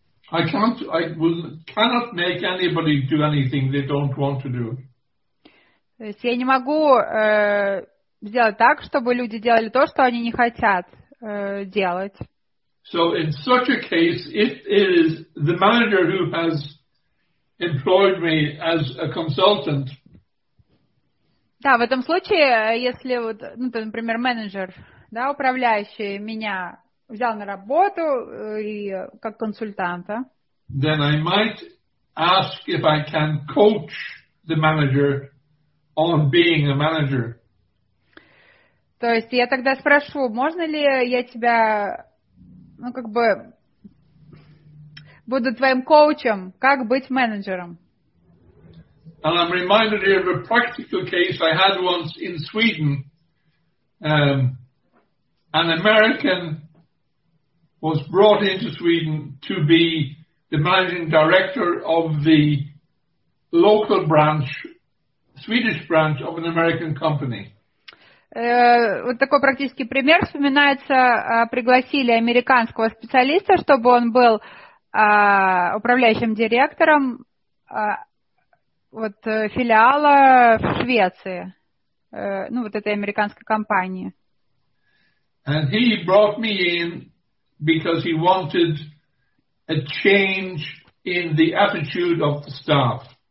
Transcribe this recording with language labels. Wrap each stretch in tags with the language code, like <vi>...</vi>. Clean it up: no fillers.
<en>I cannot make anybody do anything they don't want to do.</en> <ru>То есть я не могу сделать так, чтобы люди делали то, что они не хотят. Делать.</ru> <en>So in such a case, if it is the manager who has employed me as a consultant.</en> <ru>Да, в этом случае, если вот, ну, то, например, менеджер, да, управляющий меня взял на работу и как консультанта.</ru> <en>Then I might ask if I can coach the manager on being a manager.</en> <ru>То есть я тогда спрошу, можно ли я тебя, ну, как бы, буду твоим коучем, как быть менеджером?</ru> <en>And I'm reminded here of a practical case I had once in Sweden. An American was brought into Sweden to be the managing director of the local branch, Swedish branch of an American company.</en> <ru>Вот такой практический пример вспоминается. Пригласили американского специалиста, чтобы он был управляющим директором вот филиала в Швеции. ну, вот этой американской компании.</ru> <en>And he brought me in because he wanted a change in the attitude of the staff.</en>